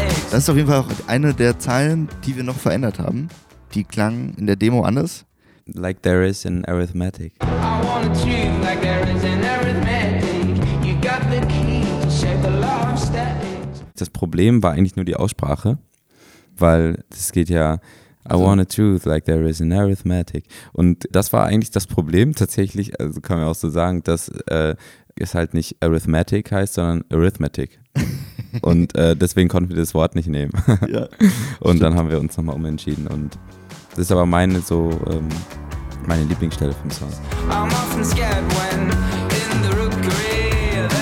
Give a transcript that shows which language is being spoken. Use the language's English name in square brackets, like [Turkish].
[German] Das ist auf jeden Fall auch eine der Zeilen, die wir noch verändert haben. Die klang in der Demo anders. [English] Like there is in arithmetic. I wanna treat like there is in arithmetic. You got the key to shape the law of static. [German] Das Problem war eigentlich nur die Aussprache, weil es geht ja... [English] Also. I want a truth like there is in arithmetic. [German] Und das war eigentlich das Problem tatsächlich, also kann man auch so sagen, dass es halt nicht arithmetic heißt, sondern arithmetic. Und deswegen konnten wir das Wort nicht nehmen. Ja, und stimmt. Dann haben wir uns nochmal umentschieden. Und das ist aber meine so meine Lieblingsstelle vom Song. [English] I'm often scared when in the